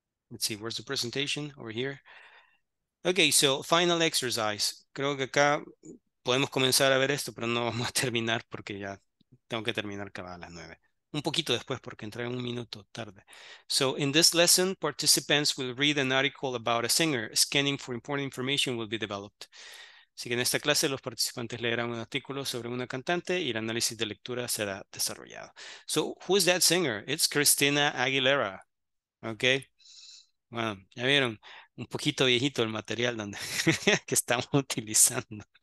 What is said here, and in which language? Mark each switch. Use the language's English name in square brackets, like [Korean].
[English] Let's see, where's the presentation? Over here. Ok, so final exercise. [Spanish] Creo que acá podemos comenzar a ver esto, pero no vamos a terminar porque ya tengo que terminar cada a las 9. Un poquito después porque entré un minuto tarde. [English] So in this lesson, participants will read an article about a singer. Scanning for important information will be developed. [Spanish] Así que en esta clase los participantes leerán un artículo sobre una cantante y el análisis de lectura será desarrollado. [English] So who is that singer? It's Christina Aguilera. Okay. [Spanish] Bueno, ya vieron, un poquito viejito el material donde, que estamos utilizando.